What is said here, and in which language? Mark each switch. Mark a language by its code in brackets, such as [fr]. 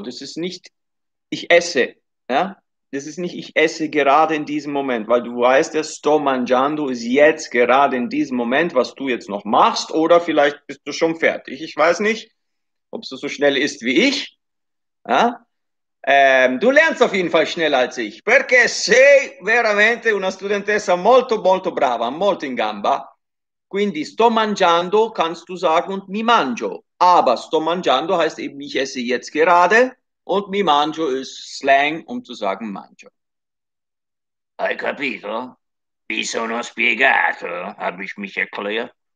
[de] Das ist nicht, ich esse. Ja? Das ist nicht, ich esse gerade in diesem Moment. Weil du weißt, der [it] sto mangiando [de] ist jetzt gerade in diesem Moment, was du jetzt noch machst. Oder vielleicht bist du schon fertig. Ich weiß nicht, ob es so schnell ist wie ich. Ja? Du lernst auf jeden Fall schneller als ich. [it] Perché sei veramente una studentessa molto, molto brava, molto in gamba. Quindi sto mangiando [de] kannst du sagen und [it] mi mangio. [de] Aber [it] sto mangiando [de] heißt eben ich esse jetzt gerade und [it] mi mangio [de] ist Slang um zu sagen mangio. [it] Hai capito? Mi sono spiegato, [de] habe ich mich erklärt.